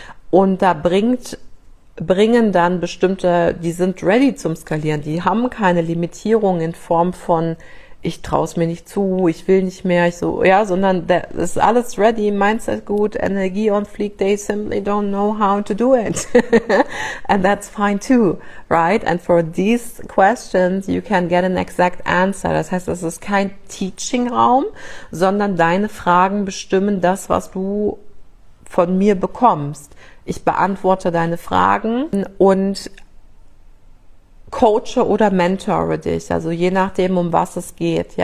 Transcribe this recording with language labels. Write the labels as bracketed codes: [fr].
[de] Und da bringen dann bestimmte, die sind ready zum Skalieren, die haben keine Limitierung in Form von ich traue es mir nicht zu, ich will nicht mehr, ich so, ja, sondern das ist alles ready, Mindset gut, Energie on fleek, [en] they simply don't know how to do it. And that's fine too, right? And for these questions, you can get an exact answer. [de] Das heißt, es ist kein Teaching-Raum, sondern deine Fragen bestimmen das, was du von mir bekommst. Ich beantworte deine Fragen und coache oder mentore dich, also je nachdem, um was es geht.